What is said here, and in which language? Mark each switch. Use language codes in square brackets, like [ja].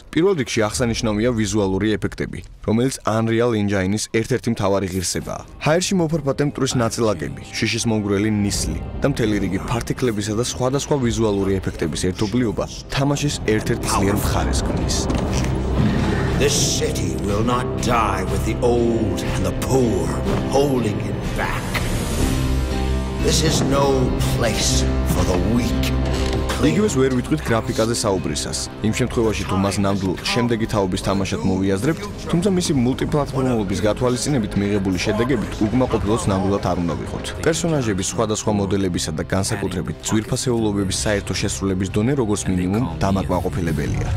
[ka] პირველ რიგში აღსანიშნავია ვიზუალური ეფექტები, რომელიც Unreal Engine-ის ერთ-ერთი მთავარი ღირსებაა. ჰაერში მოფარფატე მტვრის ნაწილაკები, შიშის მომგვრელი ნისლი და მთელი რიგი ფარტიკლებისა და სხვადასხვა ვიზუალური ეფექტების ერთობლიობა თამაშის ერთ-ერთ ძლიერ მხარეს ქმნის. [en] This city will not die with the old and the poor holding it back. This is no place for the weak. [ka] იგივეს ვერ ვიტყვით გრაფიკაზე საუბრისას. იმ შემთხვევაში თუ მას ნამდვილ შემდეგი თაობის თამაშად მოვიაზრებთ, თუმცა მისი მულტიპლატფორმულობის გათვალისწინებით მიღებული შედეგებით უკმაყოფილოს ნამდვილად არ უნდა ვიყოთ. პერსონაჟების სხვადასხვა მოდელებისა და განსაკუთრებით ძვირფასეულობების საერთო შესრულების დონე როგორც მინიმუმ დამაკმაყოფილებელია.